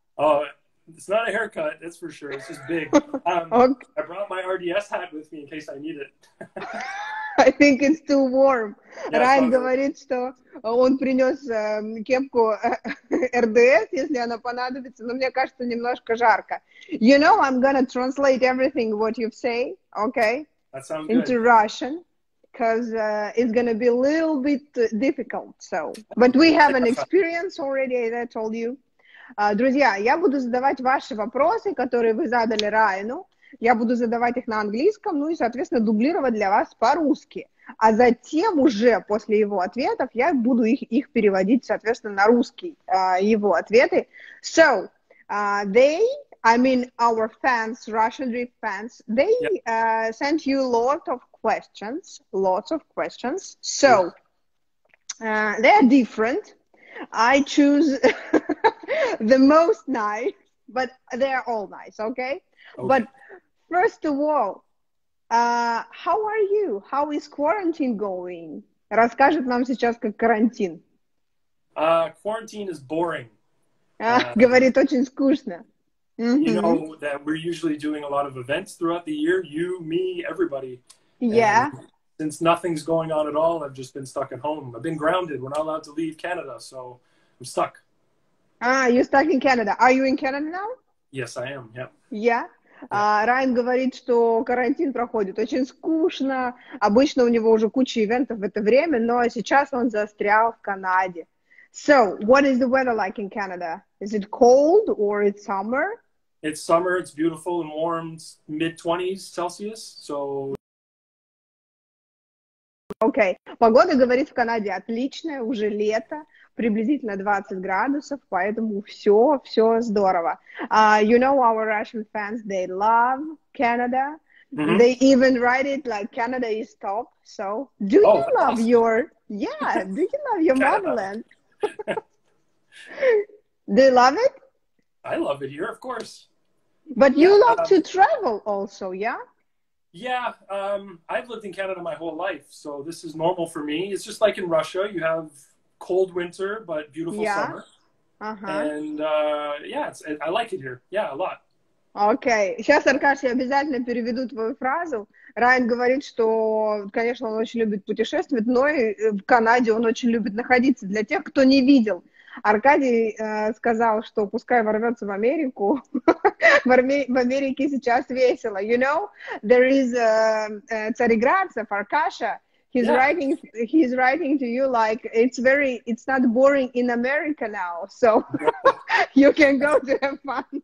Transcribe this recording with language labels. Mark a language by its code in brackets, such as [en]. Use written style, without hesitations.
[en] Oh, it's not a haircut. That's for sure. It's just big. Okay. I brought my RDS hat with me in case I need it. I think it's too warm. [ru] Yeah, Райан говорит, что он принес кепку RDS, если она понадобится. Но мне кажется, немножко жарко. [en] You know, I'm gonna translate everything what you say. Okay. That sounds good. Into Russian. Because it's going to be a little bit difficult, so. But we have an experience already, as I told you. [ru] Друзья, я буду задавать ваши вопросы, которые вы задали Райану. Я буду задавать их на английском, ну и, соответственно, дублировать для вас по-русски. А затем уже после его ответов я буду их переводить, соответственно, на русский, его ответы. [en] So, our fans, Russian Drift fans, they sent you a lot of questions, so They are different. I choose the most nice, but they are all nice, okay? But first of all, how are you? How is quarantine going? [ru] Расскажет нам сейчас, как карантин. [en] Quarantine is boring. [ru] Говорит, очень скучно. [en] You know that we're usually doing a lot of events throughout the year. You, me, everybody. Yeah. Since nothing's going on at all, I've just been stuck at home. I've been grounded. We're not allowed to leave Canada, so I'm stuck. Ah, you're stuck in Canada. Are you in Canada now? Yes, I am. Yep. Yeah. [ru] Райан говорит, что карантин проходит очень скучно. Обычно у него уже куча ивентов в это время, но сейчас он застрял в Канаде. [en] So, what is the weather like in Canada? Is it cold or it's summer? It's summer. It's beautiful and warm. It's mid-20s Celsius. So. Okay. [ru] Погода, говорит, в Канаде отличная. Уже лето. Приблизительно 20 градусов. Поэтому все здорово. [en] You know our Russian fans, they love Canada. Mm-hmm. They even write it like Canada is top. So, do you love your... Yeah, do you love your motherland? Do you love it? I love it here, of course. But you love to travel also, yeah? Yeah, I've lived in Canada my whole life, so this is normal for me. It's just like in Russia, you have cold winter, but beautiful summer. And I like it here, yeah, a lot. [ru] Окей. Сейчас, Аркаш, я обязательно переведу твою фразу. Райан говорит, что, конечно, он очень любит путешествовать, но и в Канаде он очень любит находиться. Для тех, кто не видел, Аркадий сказал, что пускай ворвется в Америку. В Америке сейчас весело. [en] You know, there is Цареградцев, Аркаша. He's writing to you like it's not boring in America now, so you can go to have fun.